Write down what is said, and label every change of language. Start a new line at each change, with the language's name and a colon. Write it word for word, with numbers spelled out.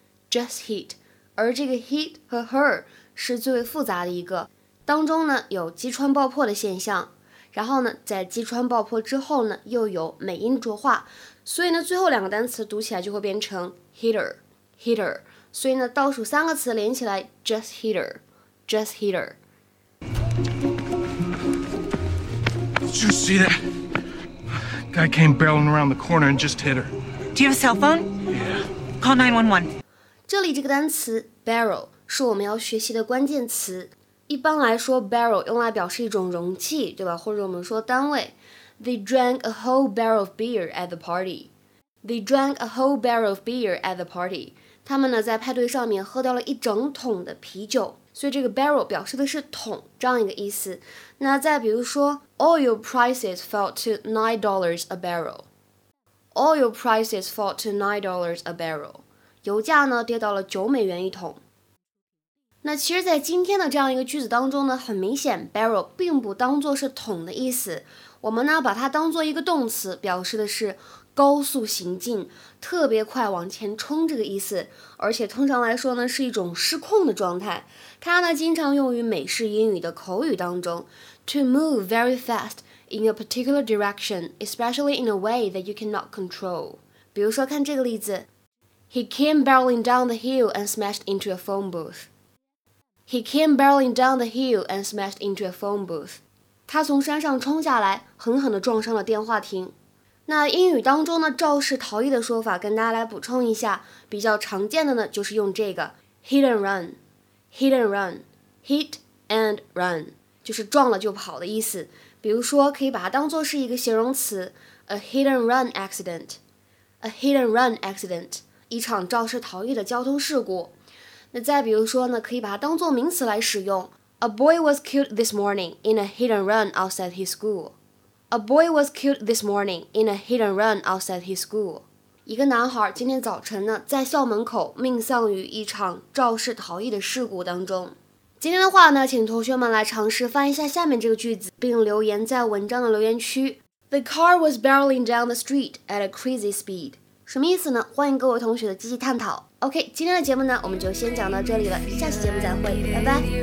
English: just hit
Chinese: 而这个 hit 和 her 是最为复杂的一个，当中呢有击穿爆破的现象，然后呢在击穿爆破之后呢又有美音浊化，所以呢最后两个单词读起来就会变成
English: hitter hitter
Chinese: 所以呢倒数三个词连起来
English: just hitter just hitter。 Did you see that? Guy came barreling around the corner and just hit her. Do you have a cell phone? Yeah. Call nine one one.
Chinese: 这里这个单词 barrel 是我们要学习的关键词。一般来说 barrel 用来表示一种容器，对吧？或者我们说单位。
English: They drank a whole barrel of beer at the party. They drank a whole barrel of beer at the party.
Chinese: 他们呢在派对上面喝掉了一整桶的啤酒。所以这个 barrel 表示的是桶这样一个意思。那再比如说
English: oil prices fell to nine dollars a barrel. Oil prices fell to nine dollars a barrel.
Chinese: 油价呢跌到了九美元一桶。那其实在今天的这样一个句子当中呢，很明显 barrel 并不当作是桶的意思。我们呢把它当作一个动词，表示的是高速行进，特别快往前冲这个意思，而且通常来说呢是一种失控的状态。它呢经常用于美式英语的口语当中。
English: To move very fast in a particular direction, especially in a way that you cannot control.
Chinese: 比如说看这个例子
English: He came barreling down the hill and smashed into a phone booth. He came barreling down the hill and smashed into a phone booth.
Chinese: 他从山上冲下来，狠狠地撞上了电话亭。那英语当中呢，肇事逃逸的说法跟大家来补充一下，比较常见的呢就是用这个
English: hit and run hit and run
Chinese: hit and run 就是撞了就跑的意思。比如说可以把它当作是一个形容词
English: a hit and run accident
Chinese: a hit and run accident 一场肇事逃逸的交通事故。那再比如说呢，可以把它当作名词来使用
English: A boy was killed this morning in a hit and run outside his school. A boy was killed this morning in a hit and run outside his school.
Chinese: 一个男孩今天早晨呢，在校门口命丧于一场肇事逃逸的事故当中。今天的话呢，请同学们来尝试翻译一下下面这个句子，并留言在文章的留言区。
English: The car was barreling down the street at a crazy speed.
Chinese: 什么意思呢？欢迎各位同学的积极探讨。OK， 今天的节目呢，我们就先讲到这里了，下期节目再会，拜拜。